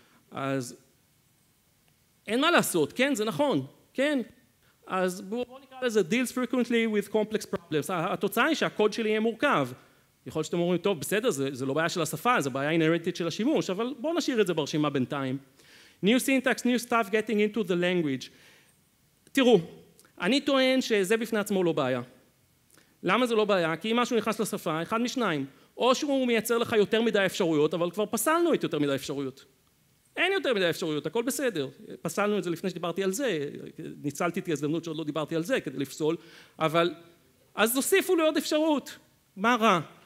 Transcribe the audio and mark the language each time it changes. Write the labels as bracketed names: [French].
[Hebrew] אז אין מה לעשות, כן, זה נכון, כן. אז בואו נקרא לזה [English] deals frequently with complex problems. [Hebrew] התוצאה היא שהקוד שלי יהיה מורכב. יכול להיות שאתם אומרים, טוב, בסדר, זה לא בעיה של השפה, זה בעיה אינרנטית של השימוש, אבל בואו נשאיר את זה ברשימה בינתיים. [English] New syntax, new stuff getting into the language. [Hebrew] תראו, אני טוען שזה בפני עצמו לא בעיה. למה זה לא בעיה? כי אם משהו נכנס לשפה, אחד משניים. או שהוא מייצר לך יותר מדי אפשרויות, אבל כבר פסלנו את יותר מדי אפשרויות. אין יותר מדי אפשרויות, הכל בסדר. פסלנו את זה לפני שדיברתי על זה, ניצלתי את ההזדמנות שעוד לא דיברתי על זה כדי לפסול, אבל אז הוסיפו לי עוד אפשרות. מה רע?